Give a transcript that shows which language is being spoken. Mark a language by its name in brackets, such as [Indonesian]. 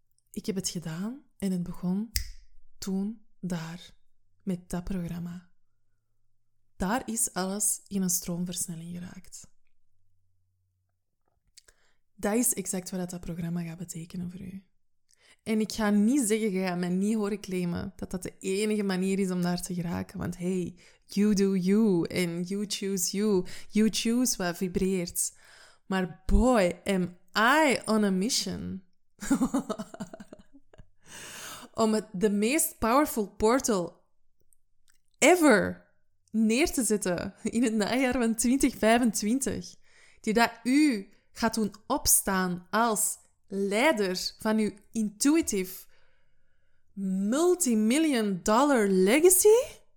[Dutch] Ik heb het gedaan en het begon toen, daar, met dat programma. Daar is alles in een stroomversnelling geraakt. Dat is exact wat dat programma gaat betekenen voor u. En ik ga niet zeggen, je gaat mij niet horen claimen dat dat de enige manier is om daar te geraken. [English] Want hey, you do you and you choose you. You choose [Dutch] wat vibreert. [English] Maar boy, am I on a mission. [Dutch] Om de meest [English] powerful portal ever [Dutch] neer te zetten in het najaar van 2025. Die dat u gaat doen opstaan als leider van uw [English] intuitive multi-million dollar legacy?